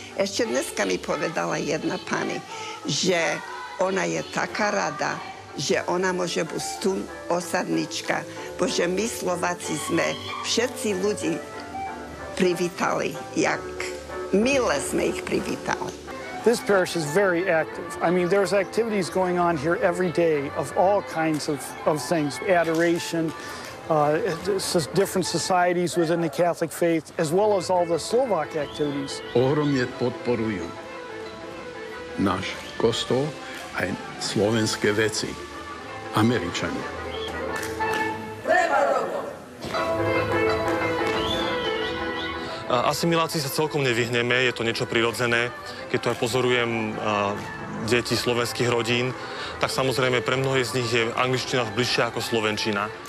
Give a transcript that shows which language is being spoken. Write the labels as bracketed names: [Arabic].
[Slovak] Ešte dneska mi povedala jedna pani, že ona je taká rada, že ona môže byť tu osadnička, bože, my Slováci sme všetci ľudí privítali, jak mile sme ich privítali. [English] This parish is very active. I mean, there's activities going on here every day of all kinds of things, adoration, different societies within the Catholic faith, as well as all the Slovak activities. [Slovak] Ohromne podporujú náš kostol aj slovenské veci, Američania. Treba robiť. Asimilácii sa celkom nevyhneme, je to niečo prirodzené. Keď to aj pozorujem deti slovenských rodín, tak samozrejme pre mnohých z nich je angličtina bližšia ako slovenčina.